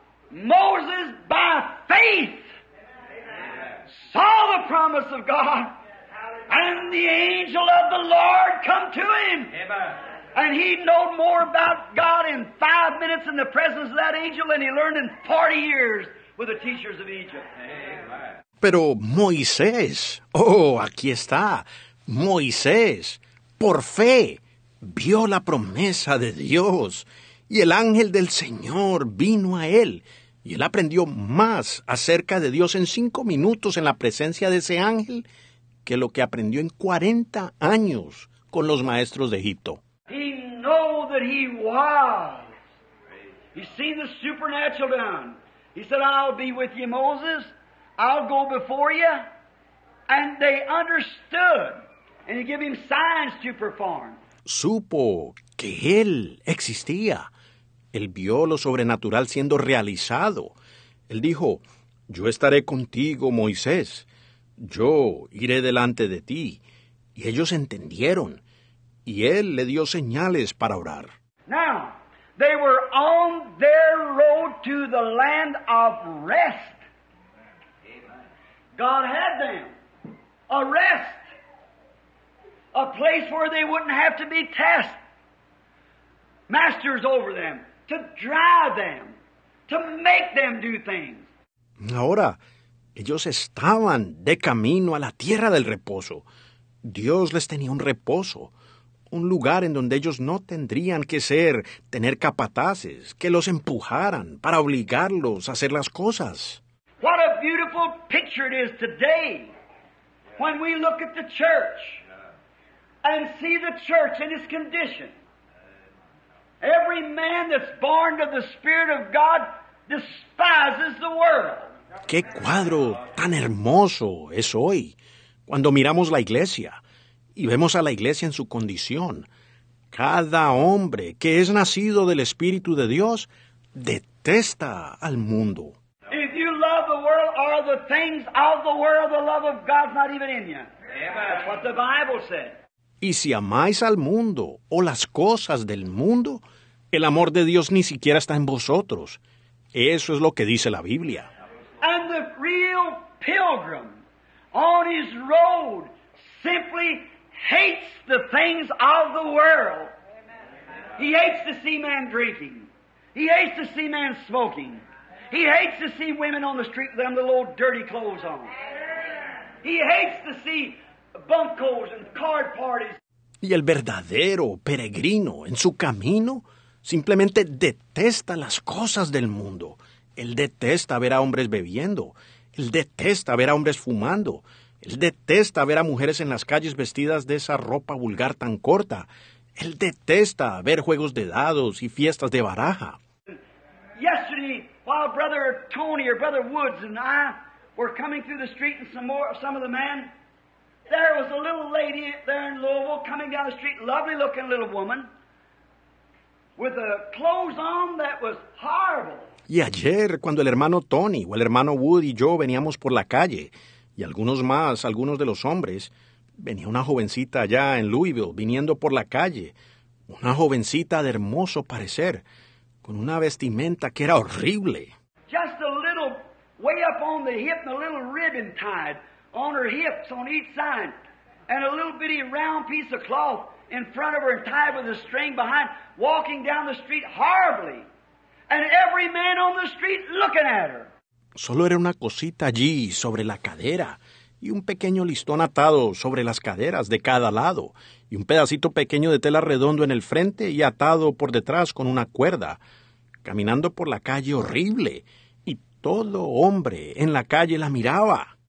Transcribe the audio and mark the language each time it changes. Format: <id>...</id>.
<en>Moses, by faith, saw the promise of God, and the angel of the Lord come to him. And he knew more about God in 5 minutes in the presence of that angel than he learned in 40 years with the teachers of Egypt.</en> <es>Pero Moisés, oh, aquí está. Moisés, por fe, vio la promesa de Dios. Y el ángel del Señor vino a él. Y él aprendió más acerca de Dios en 5 minutos en la presencia de ese ángel que lo que aprendió en 40 años con los maestros de Egipto.</es> <en>He knew that he was. He seen the supernatural down. He said, I'll be with you, Moses. I'll go before you. And they understood. And he gave him signs to perform.</en> <es>Supo que él existía. Él vio lo sobrenatural siendo realizado. Él dijo, yo estaré contigo, Moisés. Yo iré delante de ti. Y ellos entendieron. Y él le dio señales para orar.</es> <en>Now, they were on their road to the land of rest. God had them. A rest. A place where they wouldn't have to be tested. Masters over them. To drive them. To make them do things.</en> <es>Ahora, ellos estaban de camino a la tierra del reposo. Dios les tenía un reposo. Un lugar en donde ellos no tendrían que ser, tener capataces, que los empujaran para obligarlos a hacer las cosas.</es> <en>What a beautiful picture it is today when we look at the church and see the church in its condition. Every man that's born of the Spirit of God despises the world.</en> <es>¡Qué cuadro tan hermoso es hoy! Cuando miramos la iglesia y vemos a la iglesia en su condición, cada hombre que es nacido del Espíritu de Dios detesta al mundo.</es> <en>If you love the world or the things of the world, the love of God's not even in you. That's what the Bible said.</en> <es>Y si amáis al mundo o las cosas del mundo, el amor de Dios ni siquiera está en vosotros. Eso es lo que dice la Biblia.</es> <en>And the real pilgrim on his road simply hates the things of the world. He hates to see man drinking. He hates to see man smoking. He hates to see women on the street with them little old dirty clothes on. He hates to see bunkos and card parties.</en> <es>Y el verdadero peregrino en su camino simplemente detesta las cosas del mundo. Él detesta ver a hombres bebiendo. Él detesta ver a hombres fumando. Él detesta ver a mujeres en las calles vestidas de esa ropa vulgar tan corta. Él detesta ver juegos de dados y fiestas de baraja.</es> <en>Yesterday, while Brother Tony or Brother Woods and I were coming through the street and some of the men, there was a little lady there in Louisville coming down the street, lovely looking little woman, with a clothes on that was horrible.</en> <es>Y ayer, cuando el hermano Tony o el hermano Wood y yo veníamos por la calle, y algunos más, algunos de los hombres, venía una jovencita allá en Louisville, viniendo por la calle, una jovencita de hermoso parecer, con una vestimenta que era horrible.</es> <en>Just a little way up on the hip and a little ribbon tied on her hips on each side, and a little bitty round piece of cloth in front of her and tied with a string behind, walking down the street horribly. And every man on the street looking at her.</en> <es>Solo era una cosita allí sobre la cadera y un pequeño listón atado sobre las caderas de cada lado y un pedacito pequeño de tela redondo en el frente y atado por detrás con una cuerda, caminando por la calle horrible, y todo hombre en la calle la miraba.</es>